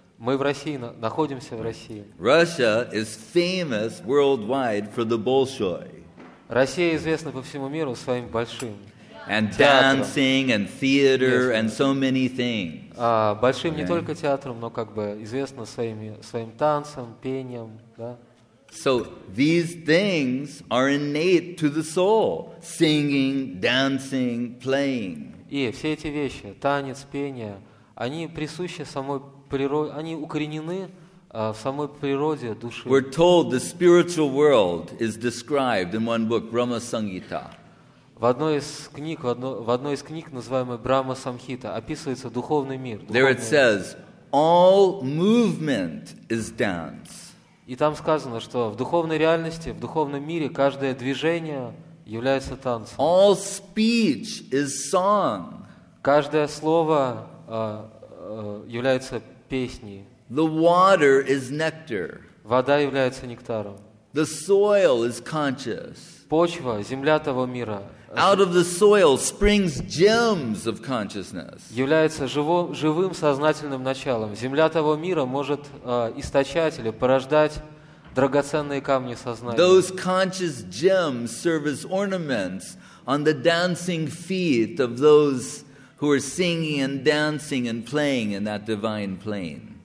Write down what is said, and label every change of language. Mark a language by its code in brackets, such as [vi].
[ru] Мы в России, находимся в России. [en] Russia is famous worldwide for the Bolshoi. [ru] Россия известна по всему миру своим большим. [en] And dancing and theater and so many things. [ru] Большим не только театром, но как бы известно своим танцем, пением, да. [en] So these things are innate to the soul: singing, dancing, playing. [ru] И все эти вещи, танец, пение, они присущи самой природе, они укоренены в самой природе души. [en] We're told the spiritual world is described in one book, Brahma Sangita. [ru] В одной из книг, называемой Брахма Самхита, описывается духовный мир. [en] There it says, all movement is dance. [ru] И там сказано, что в духовной реальности, в духовном мире, каждое движение является танцем. [en] All speech is song. [ru] Каждое слово является песней. [en] The water is nectar. [ru] Вода является нектаром. [en] The soil is conscious. [ru] Почва, земля того мира. [en] Out of the soil springs gems of consciousness. [ru] Является живым сознательным началом. Земля того мира может источать или порождать драгоценные камни сознания. [en] Those conscious gems serve as ornaments on the dancing feet of those who are singing and dancing and playing in that divine plane.